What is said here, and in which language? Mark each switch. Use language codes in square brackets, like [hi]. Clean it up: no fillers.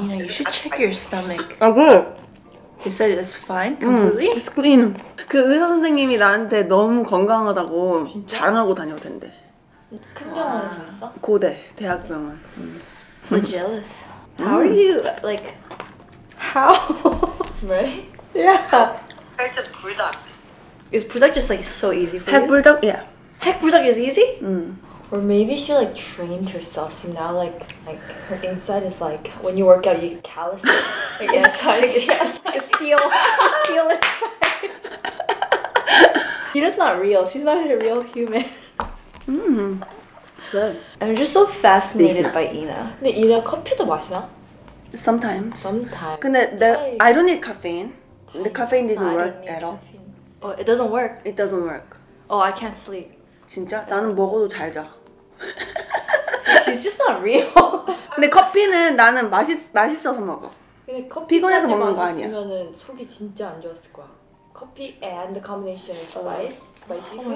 [en] You know, you should check your stomach. [ko] 아, 그래. [en] You said it's fine, completely? It's clean. [ko] 그 의사 선생님이 나한테 너무 건강하다고 진짜? 자랑하고 다녔던데. 큰 병원에서 했어? 고대, 대학병원. [en] So jealous. How are you, like, how? Right? Yeah. It's just 불닭. Is 불닭 just like so easy for [ko] 핵불닭? [en] You? 핵불닭? Yeah. 핵불닭 is easy? Or maybe she like trained herself, so now like her inside is like when you work out, you get calluses. Like, inside, it's like a steel, steel inside. You know, it's not real. She's not a real human. Mmm, it's good. I'm just so fascinated by Ina. [ko] 근데 Ina 커피도 마시나? [en] Sometimes. Sometimes. 근데 I don't need caffeine. The caffeine doesn't work at all. Oh, it doesn't work. It doesn't work. Oh, I can't sleep. [ko] 진짜? 나는 먹어도 잘 자. [en] She's just not real. [ko] 근데 커피는 나는 맛있어서 먹어. 근데 커피 피곤해서 먹는 거 아니야. 마셨으면 속이 진짜 안 좋았을 거야. [en] 커피 and the combination of spicy food.